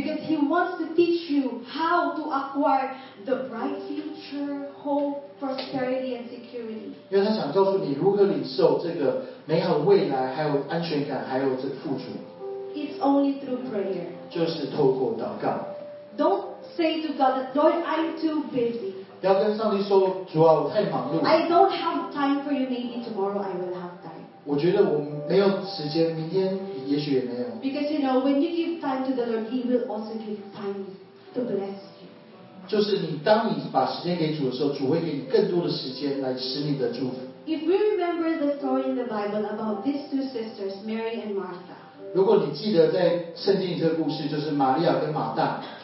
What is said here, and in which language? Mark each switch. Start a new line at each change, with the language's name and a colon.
English: Because He wants to teach you how to acquire the bright future, hope, prosperity, and security.
Chinese: 因为他想告诉你如何领受这个美好未来，还有安全感，还有这个富足。
English: It's only through prayer.
Chinese: 就是透过祷告。
English: Don't say to God, Lord, I'm too busy.
Chinese: 不要跟上帝说主啊我太忙碌
English: I don't have time for you maybe tomorrow I will have time
Chinese: 我觉得我没有时间明天也许也没有
English: because you know when you give time to the Lord He will also give time to bless you
Chinese: 就是你当你把时间给主的时候主会给你更多的时间来使你的祝福
English: if we remember the story in the Bible about these two sisters Mary and Martha
Chinese: 如果你记得在圣经里这个故事就是玛利亚跟马大